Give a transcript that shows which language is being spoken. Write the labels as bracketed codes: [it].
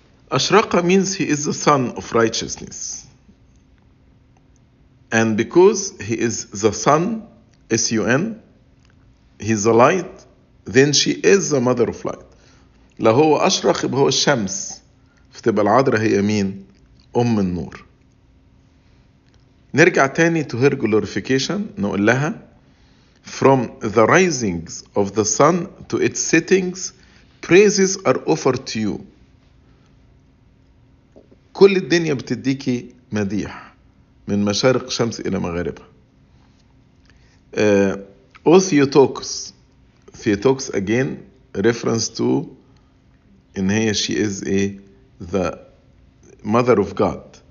[en] أشرق means he is the son of righteousness. And because he is the son, S-U-N, he is the light, then she is the mother of light. [ar] لهو أشرق بهو الشمس. فتبقى العذراء هي مين؟ أم النور. نرجع تاني [en] to her glorification. [ar] نقول لها [en] from the risings of the sun to its settings praises are offered to you. [ar] كل الدنيا بتديكي مديح من مشارق شمس إلى مغاربها. [en] O Theotokos. Theotokos again reference to [ar] إن هي [en] she is a the mother of God.